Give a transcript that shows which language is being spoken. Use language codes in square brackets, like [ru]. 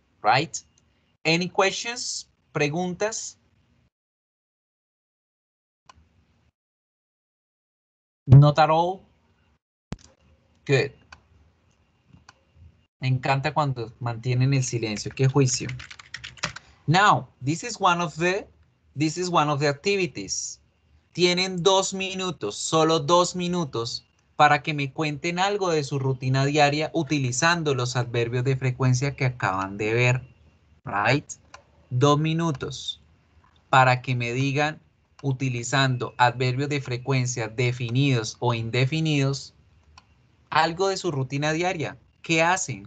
[en] Right? Any questions? [es] ¿Preguntas? [en] Not at all? Good. [es] Me encanta cuando mantienen el silencio. ¡Qué juicio! [en] Now, this is one of the activities. [es] Tienen 2 minutos, solo 2 minutos, para que me cuenten algo de su rutina diaria utilizando los adverbios de frecuencia que acaban de ver. [en] Right? [es] 2 minutos para que me digan, utilizando adverbios de frecuencia definidos o indefinidos, algo de su rutina diaria. ¿Qué hacen?